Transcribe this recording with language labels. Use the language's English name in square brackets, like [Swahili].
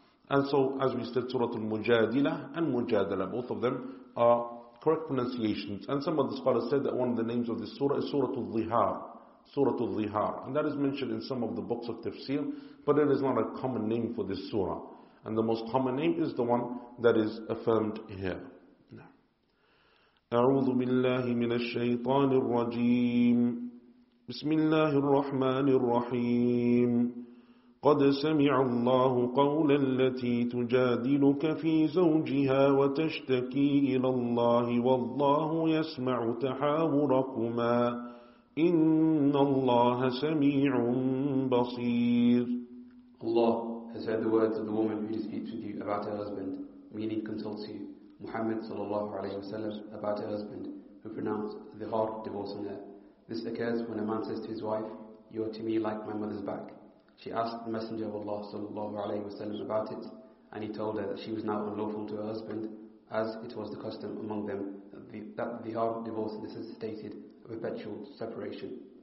[English] And so, as we said, Surah Al-Mujadila and Mujadala, both of them are correct pronunciations. And some of the scholars said that one of the names of this surah is Surah Al-Dhihar. Surah Al-Dhihar. And that is mentioned in some of the books of tafsir, but it is not a common name for this surah. And the most common name is the one that is affirmed here. [Arabic] أعوذ بالله من الشيطان الرجيم بسم الله الرحمن الرحيم قد سمع الله قول التي تجادلك في زوجها وتشتكي إلى الله والله يسمع تحاوركما إن الله سميع بصير. [English] Allah has heard the words of the woman who disputes with you about her husband, meaning consults you, Muhammad sallallahu alayhi wa sallam, about her husband, who pronounced the hard divorce on her. This occurs when a man says to his wife, "You are to me like my mother's back." She asked the Messenger of Allah sallallahu alayhi wa sallam about it, and he told her that she was now unlawful to her husband, as it was the custom among them that the hard divorce necessitated a perpetual separation.